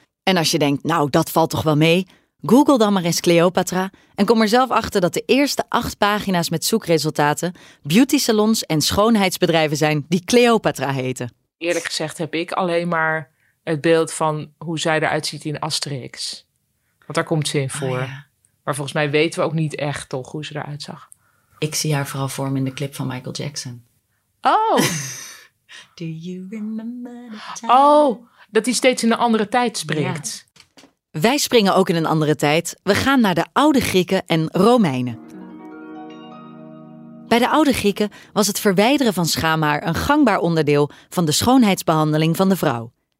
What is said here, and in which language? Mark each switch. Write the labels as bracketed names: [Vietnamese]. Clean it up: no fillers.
[Dutch] En als je denkt, nou dat valt toch wel mee, Google dan maar eens Cleopatra en kom er zelf achter dat de eerste 8 pagina's met zoekresultaten beauty salons en schoonheidsbedrijven zijn die Cleopatra heten. Eerlijk gezegd heb ik alleen maar het beeld van hoe zij eruit ziet in Asterix. Want daar komt ze in voor. Oh, ja. Maar volgens mij weten we ook niet echt toch hoe ze eruit zag. Ik zie haar vooral voor me in de clip van Michael Jackson. Oh! [English] Do you remember the time? [Dutch] Oh, dat hij steeds in een andere tijd springt. Ja. Wij springen ook in een andere tijd. We gaan naar de oude Grieken en Romeinen. Bij de oude Grieken was het verwijderen van schaamhaar een gangbaar onderdeel van de schoonheidsbehandeling van de vrouw.